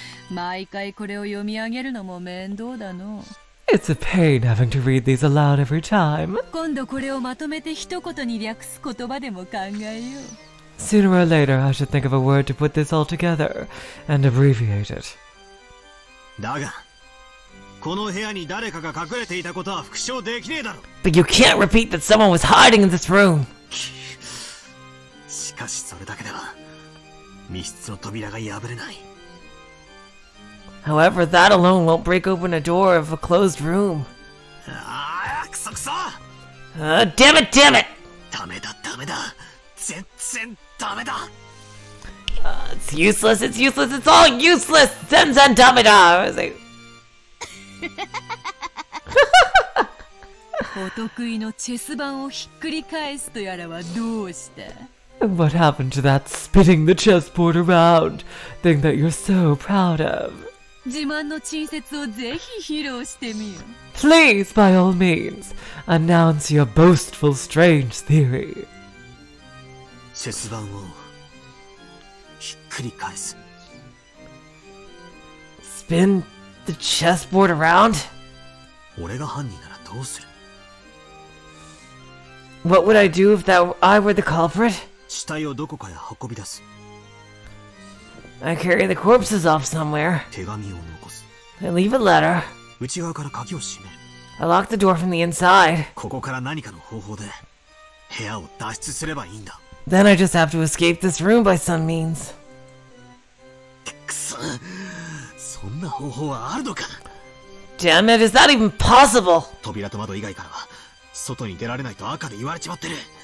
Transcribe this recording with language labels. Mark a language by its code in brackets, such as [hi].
[ja] 毎回これを読み上げるのも面倒だの。 [en] It's a pain having to read these aloud every time. [ja] 今度これをまとめて一言に略す言葉でも考えよう。 [en] Sooner or later, I should think of a word to put this all together and abbreviate it. [ja] だが、この部屋に誰かが隠れていたことは復唱できねえだろ。 [en] But you can't repeat that someone was hiding in this room. [ja] しかしそれだけでは密室の扉が破れない。 [en] However, that alone won't break open a door of a closed room. [ja] ああ、くそくそ。 [en] Damn it! [ja] ダメだ。全然ダメだ。 [en] It's useless. It's all useless. [ja] 全然ダメだ。お得意のチェス盤をひっくり返すとやらはどうした。 [en] What happened to that spinning the chessboard around thing that you're so proud of? [ja] 自慢の陳説をぜひ披露してみよう。 [en] Please, by all means, announce your boastful strange theory. [ja] チェス盤をひっくり返す。 [en] Spin the chessboard around? [ja] 俺が犯人ならどうする。 [en] What would I do if that I were the culprit? [ja] 死体をどこかへ運び出す。 [en] I carry the corpses off somewhere. [ja] 手紙を残す。 [en] I leave a letter. [ja] 内側から鍵を閉める。 [en] I lock the door from the inside. [ja] ここから何かの方法で部屋を脱出すればいいんだ。 [en] Then I just have to escape this room by some means. [ja] くそ、そんな方法はあるのか。 [en] Damn it, is that even possible? [ja] 扉と窓以外からは外に出られないと赤で言われちまってる。